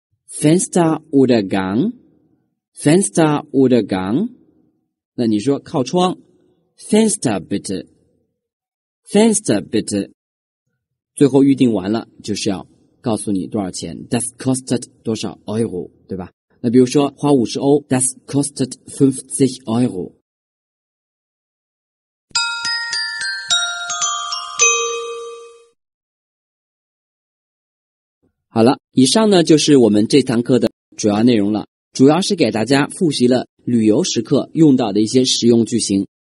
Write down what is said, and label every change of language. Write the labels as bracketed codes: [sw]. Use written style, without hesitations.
[de] Fenster oder Gang? Fenster oder Gang? [zh] 那你说靠窗。 [de] Fenster bitte. Fenster bitte. [zh] 最后预定完了，就是要告诉你多少钱。 [de] Das kostet [zh] 多少 [de] Euro, [zh] 对吧？那比如说花50欧 , [de] das kostet 50 Euro。 [zh] 好了，以上呢就是我们这堂课的主要内容了，主要是给大家复习了旅游时刻用到的一些实用句型。